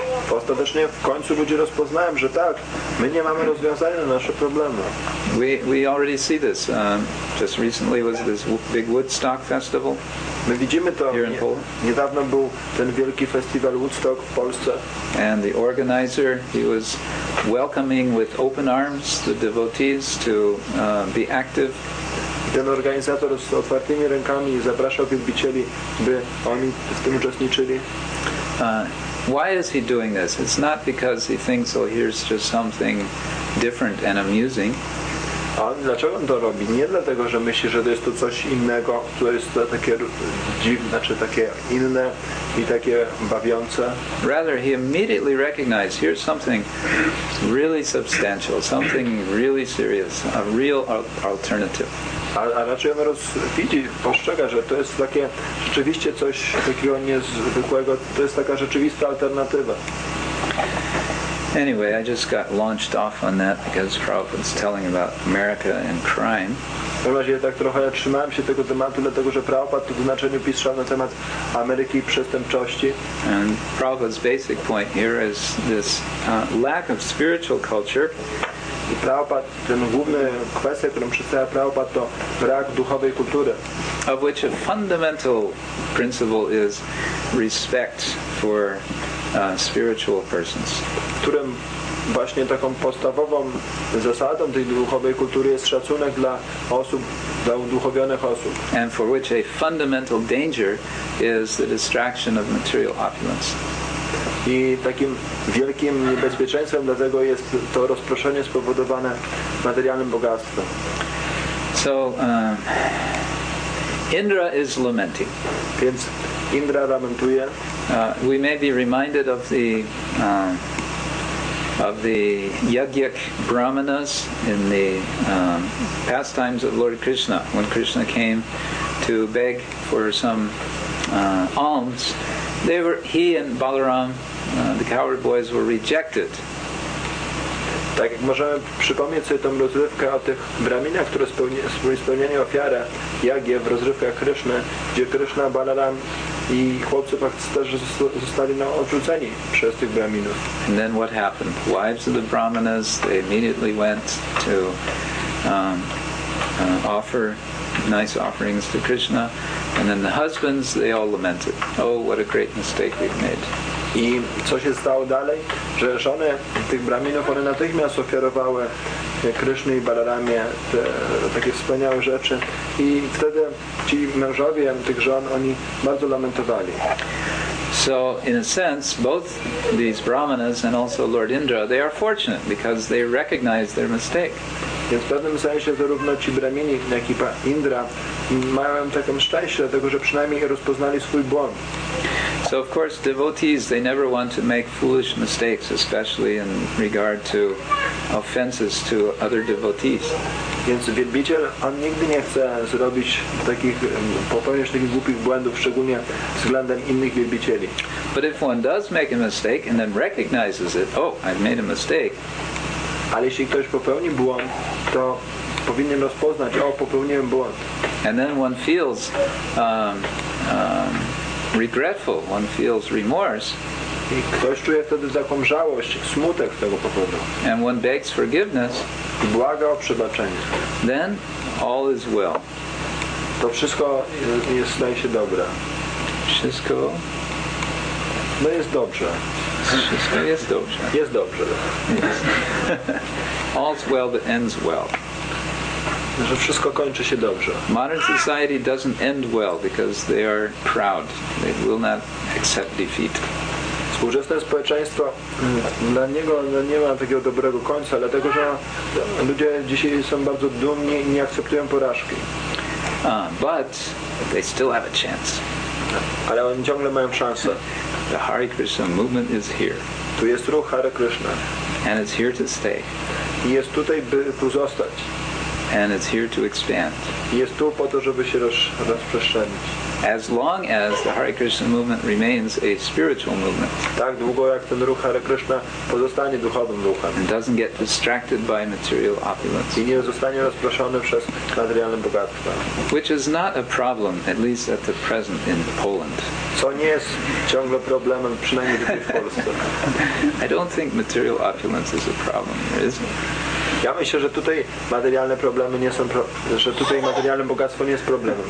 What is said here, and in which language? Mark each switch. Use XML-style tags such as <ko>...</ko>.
<pl>Ostatecznie w końcu ludzie rozpoznają, że tak, my nie mamy rozwiązania na nasze problemy.</pl> <en>We already see this. Just recently was this big Woodstock festival.</en> <pl>My widzimy to. Niedawno był ten wielki festiwal Woodstock w Polsce.</pl> <en>And the organizer, he was welcoming with open arms the devotees to be active.</en> <pl>Ten organizator z otwartymi rękami zapraszał wielbicieli, by oni w tym uczestniczyli.</pl> <en>Why is he doing this? It's not because he thinks, oh, here's just something different and amusing.</en> <pl>A dlaczego on to robi? Nie dlatego, że myśli, że to jest to coś innego, to jest to takie dziwne, znaczy takie inne i takie bawiące.</pl> <en>Rather, he immediately recognized, here's something really substantial, something really serious, a real alternative.</en> <pl>A raczej on widzi, postrzega, że to jest takie rzeczywiście coś takiego niezwykłego, to jest taka rzeczywista alternatywa.</pl> <en>Anyway, I just got launched off on that because Prabhupada's telling about America and crime.</en> <pl>W każdym razie tak trochę trzymałem się tego tematu, dlatego że Prabhupada tu w znaczeniu pisał na temat Ameryki i przestępczości.</pl> <en>And Prabhupada's basic point here is this lack of spiritual culture.</en> <pl>I Prabhupada, ten główny kwestia, którą przedstawia Prabhupada, to brak duchowej kultury.</pl> <en>Of which a fundamental principle is respect for spiritual persons.</en> <pl>Którym właśnie taką podstawową zasadą tej duchowej kultury jest szacunek dla osób, dla uduchowionych osób.</pl> <en>And for which a fundamental danger is the distraction of material opulence.</en> <pl>I takim wielkim niebezpieczeństwem dlatego jest to rozproszenie spowodowane materialnym bogactwem.</pl> <en>So Indra is lamenting.</en> <pl>Więc Indra lamentuje.</pl> <en>We may be reminded of the yajnik brahmanas in the pastimes of Lord Krishna when Krishna came to beg for some alms. He and Balaram, the coward boys, were rejected.</en> <pl>Tak jak możemy przypomnieć sobie tą rozrywkę o tych braminach, które spełnienie ofiary jagie w rozrywkach Kryszny, gdzie Kryszna, Balaram i chłopcy też zostali odrzuceni przez tych braminów.</pl> <en>And then what happened? Wives of the brahmanas, they immediately went to offer nice offerings to Krishna. And then the husbands, they all lamented, oh, what a great mistake we've made.</en> <pl>I co się stało dalej? Że żony tych braminów, one natychmiast ofiarowały Krysznie i Balaramie takie wspaniałe rzeczy. I wtedy ci mężowie tych żon, oni bardzo lamentowali.</pl> <en>So in a sense, both these brahmanas and also Lord Indra, they are fortunate because they recognize their mistake.</en> <pl>Więc w pewnym sensie zarówno ci Brahmini, jak i Indra mają taką szczęście, dlatego że przynajmniej rozpoznali swój błąd.</pl> <en>So of course devotees, they never want to make foolish mistakes, especially in regard to offenses to other devotees.</en> <pl>Więc wielbiciel, on nigdy nie chce zrobić takich, popełniać takich głupich błędów, szczególnie względem innych wielbicieli.</pl> <en>But if one does make a mistake and then recognizes it, oh, I've made a mistake.</en> <pl>Ale jeśli ktoś popełni błąd, to powinien rozpoznać, o, popełniłem błąd.</pl> <en>And then one feels regretful, one feels remorse.</en> <pl>I ktoś czuje wtedy taką żałość, smutek z tego powodu.</pl> <en>And one begs forgiveness.</en> <pl>I błaga o przebaczenie.</pl> <en>Then all is well.</en> <pl>To wszystko jest, staje się dobre. Wszystko? No jest dobrze. Wszystko jest dobrze. Jest dobrze. Yes.</pl> <en>All's well that ends well.</en> <pl>Że wszystko kończy się dobrze.</pl> <en>Modern society doesn't end well because they are proud. They will not accept defeat.</en> <pl>Współczesne społeczeństwo dla niego nie ma takiego dobrego końca, dlatego że ludzie dzisiaj są bardzo dumni i nie akceptują porażki.</pl> <en>But they still have a chance.</en> <pl>Ale oni ciągle mają szansę.</pl> <en>The Hare Krishna movement is here.</en> <pl>Tu jest ruch Hare Krishna.</pl> <en>And it's here to stay.</en> <pl>I jest tutaj, by tu zostać.</pl> <en>And it's here to expand.</en> <pl>I jest tu po to, żeby się rozprzestrzenić.</pl> <en>As long as the Hare Krishna movement remains a spiritual movement.</en> <pl>Tak długo jak ten ruch Hare Krishna pozostanie duchowym ruchem.</pl> <en>And doesn't get distracted by material opulence.</en> <pl>I nie zostanie rozproszony przez materialne bogactwa.</pl> <en>Which is not a problem, at least at the present in Poland.</en> <pl>Co nie jest ciągle problemem, przynajmniej tutaj w Polsce.</pl> <en>I don't think material opulence is a problem, is it?</en> <pl>Ja myślę, że tutaj materialne problemy nie są, że tutaj materialne bogactwo nie jest problemem.</pl>